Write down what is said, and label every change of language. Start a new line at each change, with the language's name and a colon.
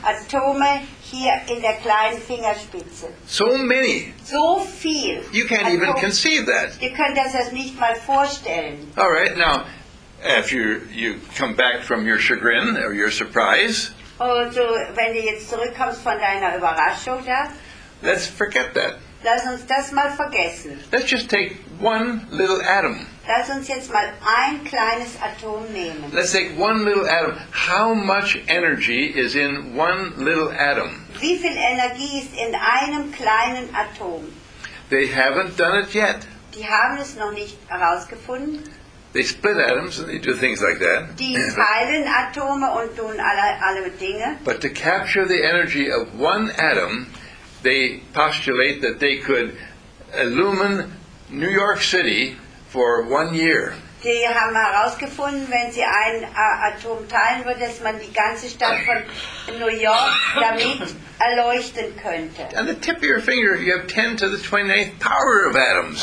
German: Atome hier in der kleinen Fingerspitze.
English: So many.
German: So viel.
English: You can't
German: Atome.
English: Even conceive that.
German: Ihr könnt das erst nicht mal vorstellen.
English: All right, now, if you come back from your chagrin or your surprise,
German: also, wenn du jetzt zurückkommst von deiner Überraschung, ja?
English: Let's forget that.
German: Lass uns das mal vergessen.
English: Let's just take one little atom.
German: Lass uns jetzt mal ein kleines Atom nehmen.
English: Let's take one little atom. How much energy is in one little atom?
German: Wie viel Energie ist in einem kleinen Atom?
English: They haven't done it yet.
German: Die haben es noch nicht herausgefunden.
English: They split atoms and they do things like that.
German: Die teilen Atome und tun alle Dinge.
English: But to capture the energy of one atom, they postulate that they could illumine New York City for 1 year.
German: Die haben herausgefunden, wenn sie ein Atom teilen würde, dass man die ganze Stadt von New York damit erleuchten könnte.
English: On the tip of your finger, you have 10 to the 28th power of atoms.